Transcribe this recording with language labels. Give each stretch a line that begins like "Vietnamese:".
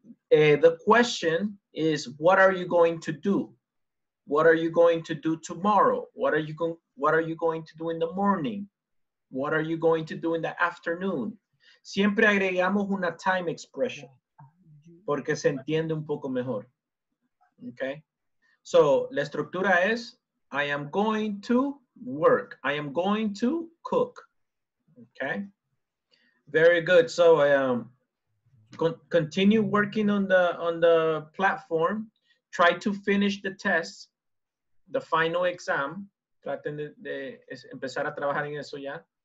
English: The question is, what are you going to do? What are you going to do tomorrow? What are you going to do in the morning? What are you going to do in the afternoon?
Spanish: Siempre agregamos una time expression porque se entiende un poco mejor.
English: Okay, so
Spanish: la estructura es,
English: I am going to work. I am going to cook. Okay, very good. So continue working on the platform. Try to finish the test, the final exam.
Spanish: Traten de empezar a trabajar en eso ya.